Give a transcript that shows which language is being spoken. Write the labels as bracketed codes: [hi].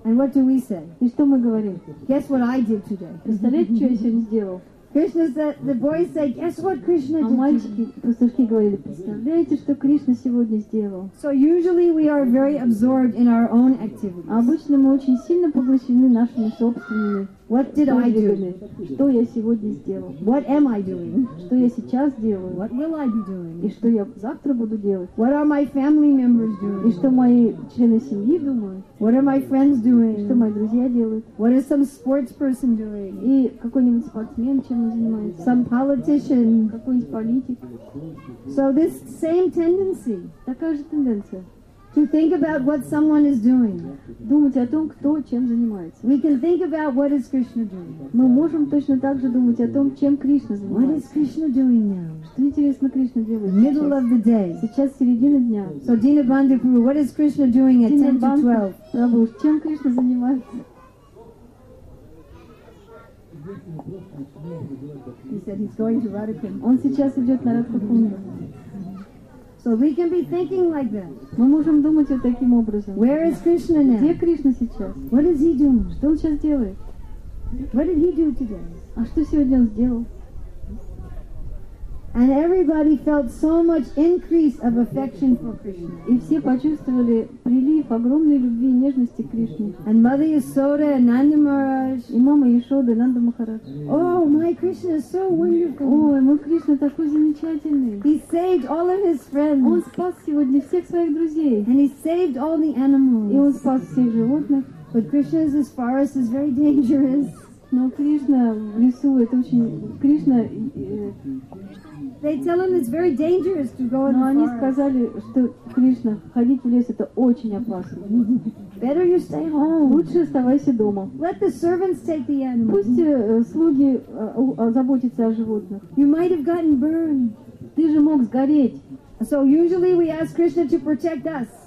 [en] And what do we say? [ru] И что мы говорим? [en] Guess what I did today. [ru] Представляете, что я сегодня сделал? [en] Krishna said, the boys said, guess what Krishna did. [ru] А мальчики, пастушки говорили, представляете, что Кришна сегодня сделал? [en] So usually we are very absorbed in our own activities. [ru] А обычно мы очень сильно поглощены нашими собственными. [en] What did I do? [ru] Что я сегодня сделал? [en] What am I doing? [ru] Что я сейчас делаю? [en] What will I be doing? [ru] И что я завтра буду делать? [en] What are my family members doing? [ru] И что мои члены семьи думают? [en] What are my friends doing? [ru] И что мои друзья делают? [en] What is some sports person doing? [ru] И какой-нибудь спортсмен чем занимается? [en] Some politician. [ru] Какой-нибудь политик. [en] So this same tendency. [ru] Такая же тенденция. [en] To think about what someone is doing. [ru] Думать о том, кто чем занимается. [en] We can think about what is Krishna doing. [ru] Мы можем точно так же думать о том, чем Кришна занимается. [en] What is Krishna doing now? [ru] Что интересно Кришна делает? [en] Middle of the day. [ru] Сейчас середина дня. [en] So Dina Bandhu, what is Krishna doing at 10 to 12? [ru] Прабу, чем Кришна занимается? [en] He said he's going to Radhakund. [ru] Он сейчас идет на Радхакунду. [en] So we can be thinking like that. [ru] Мы можем думать вот таким образом. [en] Where is Krishna now? [ru] Где Кришна сейчас? [en] What is he doing? [ru] Что он сейчас делает? [en] What did he do today? [ru] А что сегодня он сделал? [en] And everybody felt so much increase of affection for Krishna. [ru] И все почувствовали прилив огромной любви и нежности к Кришне. [en] And Mother Yashoda and Nanda Maharaj. [ru] И мама Яшода и Нанда Махарадж. [en] Oh, my Krishna is so wonderful. [ru] Ой, мой Кришна такой замечательный. [en] He saved all of his friends. [ru] Он спас сегодня всех своих друзей. [en] And he saved all the animals. [ru] И он спас всех животных. [en] But Krishna's forest is very dangerous. [ru] Но Кришна в лесу это очень Кришна. [en] They tell him it's very dangerous to go in the forest. [ru] Но они сказали, что Кришна, ходить в лес это очень опасно. [en] Better you stay home. [ru] Лучше оставайся дома. [en] Let the servants take the animals. [ru] Пусть слуги заботятся о животных. [en] You might have gotten burned. [ru] Ты же мог сгореть. [en] So usually we ask Krishna to protect us.